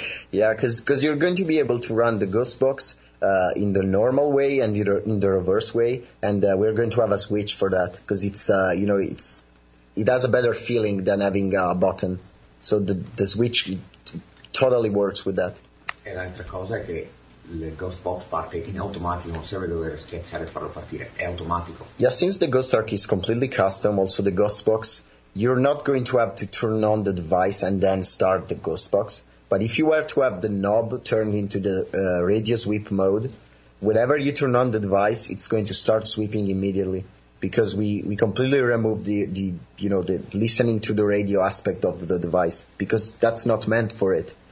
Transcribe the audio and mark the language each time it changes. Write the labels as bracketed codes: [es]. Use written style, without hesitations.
[en] Yeah, because you're going to be able to run the Ghost Box in the normal way and in the reverse way, and we're going to have a switch for that, because it has a better feeling than having a button, so the switch totally works with that. [it] E l'altra cosa è che il Ghost Box parte in automatico, non serve dover schiacciare per farlo partire, è automatico. [en] Yeah, since the GhostArk is completely custom, also the Ghost Box, you're not going to have to turn on the device and then start the Ghost Box. But if you were to have the knob turned into the radio sweep mode, whenever you turn on the device, it's going to start sweeping immediately, because we completely remove the listening to the radio aspect of the device, because that's not meant for it.